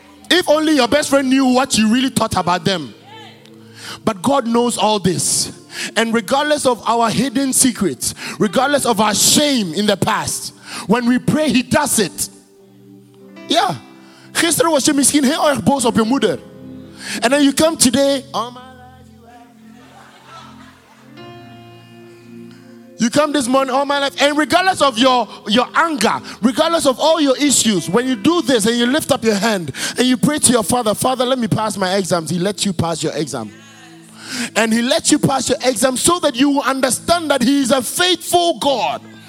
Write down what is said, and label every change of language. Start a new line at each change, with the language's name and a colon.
English: If only your best friend knew what you really thought about them. But God knows all this. And regardless of our hidden secrets, regardless of our shame in the past, when we pray, He does it. Yeah.
Dutch: Gisteren was je misschien heel erg boos op je moeder.
English: And then you come today. All my life you have. You come this morning, all my life. And regardless of your anger, regardless of all your issues, when you do this and you lift up your hand and you pray to your Father, Father, let me pass my exams. He lets you pass your exam. And He lets you pass your exam so that you will understand that He is a faithful God.